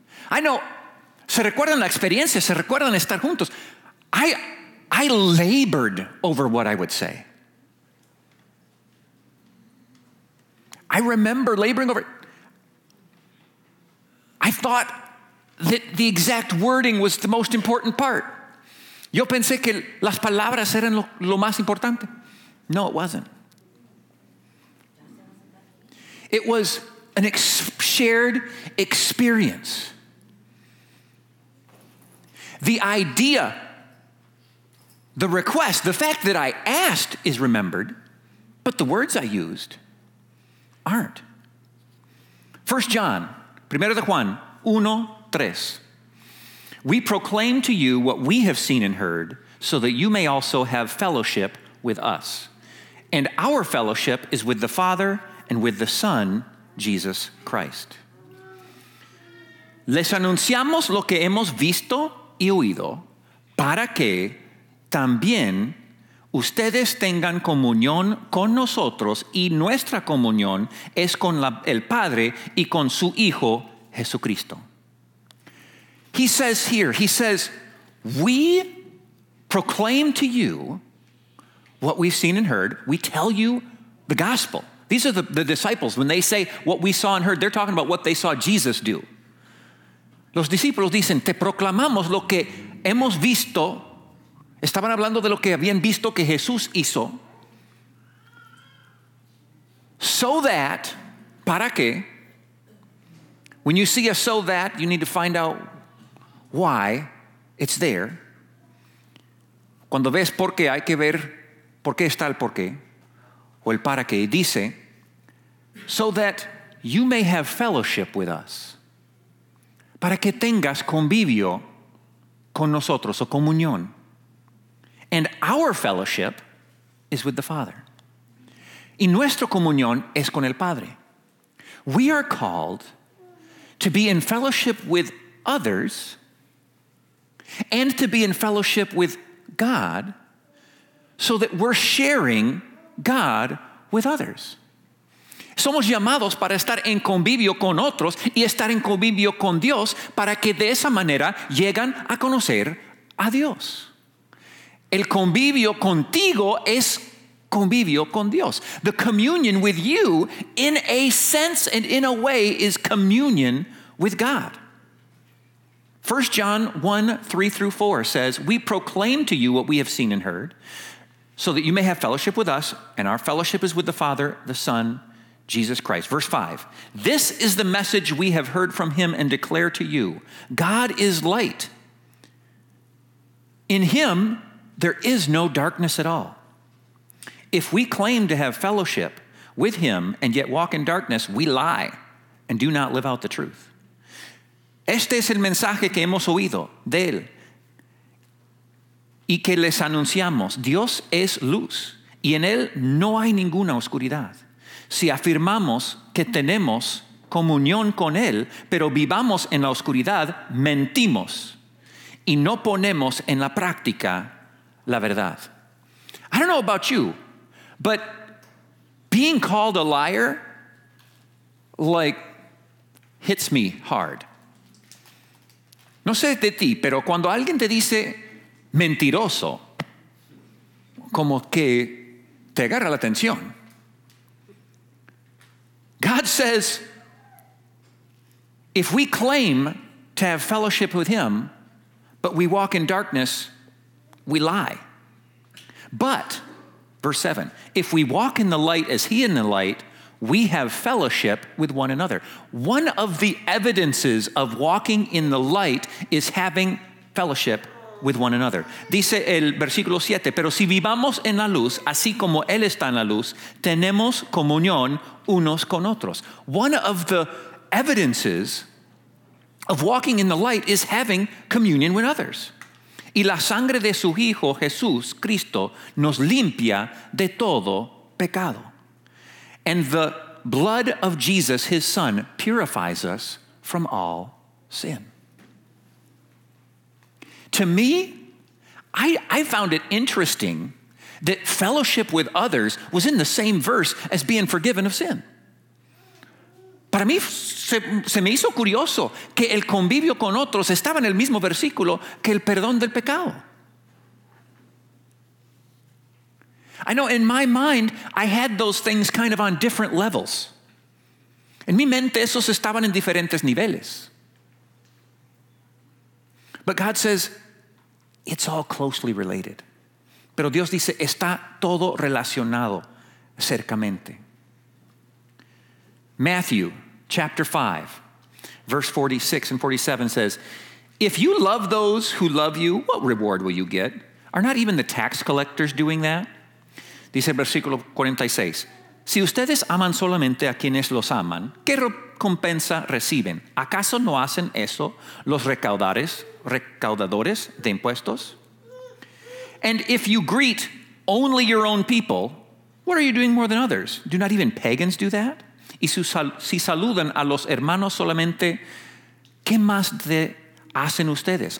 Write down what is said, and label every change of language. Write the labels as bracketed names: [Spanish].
[English] I know, [Spanish] se recuerdan la experiencia, se recuerdan estar juntos. [English] I labored over what I would say. I remember laboring over it. I thought that the exact wording was the most important part. [Spanish] Yo pensé que las palabras eran lo más importante. [English] No, it wasn't. It was an shared experience. The idea, the request, the fact that I asked is remembered, but the words I used aren't. 1 John, 1 Juan, 1, 3. We proclaim to you what we have seen and heard, so that you may also have fellowship with us. And our fellowship is with the Father and with the Son, Jesus Christ. Les anunciamos lo que hemos visto y oído para que también ustedes tengan comunión con nosotros y nuestra comunión es con el Padre y con su Hijo, Jesucristo. He says here, he says, we proclaim to you what we've seen and heard, we tell you the gospel. These are the disciples. When they say what we saw and heard, they're talking about what they saw Jesus do. [Spanish] Los discípulos dicen, te proclamamos lo que hemos visto. Estaban hablando de lo que habían visto que Jesús hizo. [English] So that, [Spanish] para que, [English] when you see a so that, you need to find out why it's there. [Spanish] Cuando ves por qué, hay que ver ¿por qué está el por qué? O el para qué. Dice, [English] so that you may have fellowship with us. [Spanish] Para que tengas convivio con nosotros o comunión. [English] And our fellowship is with the Father. [Spanish] Y nuestra comunión es con el Padre. [English] We are called to be in fellowship with others and to be in fellowship with God, so that we're sharing God with others. [Spanish] Somos llamados para estar en convivio con otros y estar en convivio con Dios para que de esa manera llegan a conocer a Dios. El convivio contigo es convivio con Dios. [English] The communion with you, in a sense and in a way, is communion with God. 1 John 1, 3 through 4 says, we proclaim to you what we have seen and heard, so that you may have fellowship with us, and our fellowship is with the Father, the Son, Jesus Christ. Verse 5, this is the message we have heard from him and declare to you. God is light. In him, there is no darkness at all. If we claim to have fellowship with him and yet walk in darkness, we lie and do not live out the truth. [Spanish] Este es el mensaje que hemos oído de él y que les anunciamos. Dios es luz y en él no hay ninguna oscuridad. Si afirmamos que tenemos comunión con él, pero vivamos en la oscuridad, mentimos y no ponemos en la práctica la verdad. [English] I don't know about you, but being called a liar, like, hits me hard. [Spanish] No sé de ti, pero cuando alguien te dice mentiroso, como que te agarra la atención. [English] God says, if we claim to have fellowship with him, but we walk in darkness, we lie. But, verse 7, if we walk in the light as he in the light, we have fellowship with one another. One of the evidences of walking in the light is having fellowship with one another. [Spanish] Dice el versículo 7, pero si vivamos en la luz, así como él está en la luz, tenemos comunión unos con otros. [English] One of the evidences of walking in the light is having communion with others. [Spanish] Y la sangre de su Hijo, Jesús, Cristo, nos limpia de todo pecado. [English] And the blood of Jesus, his Son, purifies us from all sin. To me, I found it interesting that fellowship with others was in the same verse as being forgiven of sin. [Spanish] Para mí, se me hizo curioso que el convivio con otros estaba en el mismo versículo que el perdón del pecado. [English] I know in my mind, I had those things kind of on different levels. [Spanish] En mi mente, esos estaban en diferentes niveles. [English] But God says, it's all closely related. [Spanish] Pero Dios dice, está todo relacionado cercamente. [English] Matthew chapter 5, verse 46 and 47 says, if you love those who love you, what reward will you get? Are not even the tax collectors doing that? [Spanish] Dice el versículo 46, si ustedes aman solamente a quienes los aman, ¿qué recompensa reciben? ¿Acaso no hacen eso los recaudadores de impuestos? [English] And if you greet only your own people, what are you doing more than others? Do not even pagans do that? [Spanish] Y si saludan a los hermanos solamente, ¿qué más de hacen ustedes?